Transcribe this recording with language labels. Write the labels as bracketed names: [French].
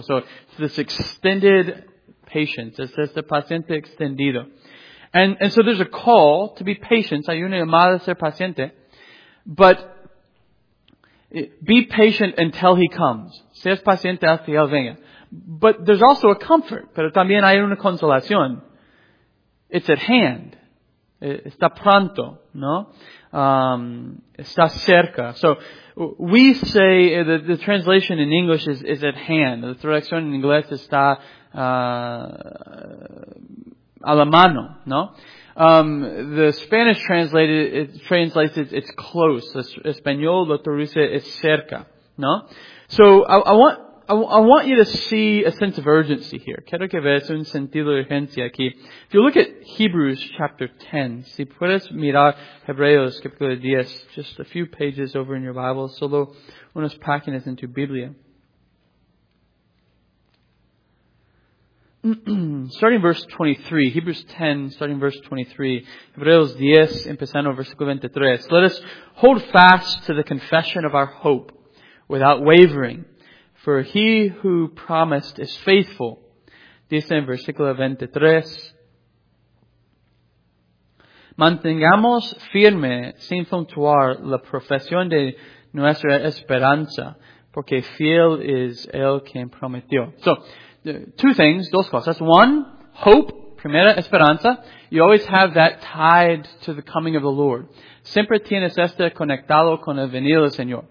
[English] So it's this extended patience. It's [Spanish] este paciente extendido. [English] And so there's a call to be patient. [Spanish] Hay una llamada a ser paciente. [English] But be patient until he comes. [Spanish] Seas paciente hasta que él venga. [English] But there's also a comfort. [Spanish] Pero también hay una consolación. [English] It's at hand. [Spanish] Está pronto, ¿no? Está cerca. [English] So we say, the translation in English is at hand. [Spanish] La traducción en inglés está a la mano, ¿no? [English] The Spanish translates it, it's close. [Spanish] Español lo traduce es cerca, ¿no? [English] So I want you to see a sense of urgency here. [Spanish] Quiero que veas un sentido de urgencia aquí. [English] If you look at Hebrews chapter 10, [Spanish] si puedes mirar Hebreos capítulo 10, [English] just a few pages over in your Bible, [Spanish] solo unas páginas en tu Biblia. [English] Starting verse 23, Hebrews 10, starting verse 23, [Spanish] Hebreos 10, empezando versículo 23. [English] Let us hold fast to the confession of our hope without wavering, for he who promised is faithful. [Spanish] dice en versículo 23, mantengamos firme, sin fluctuar, la profesión de nuestra esperanza, porque fiel es el quien prometió. [English] So, two things, [Spanish] dos cosas. [English] One, hope, [Spanish] primera, esperanza. [English] You always have that tied to the coming of the Lord. [Spanish] Siempre tienes este conectado con el venir del Señor.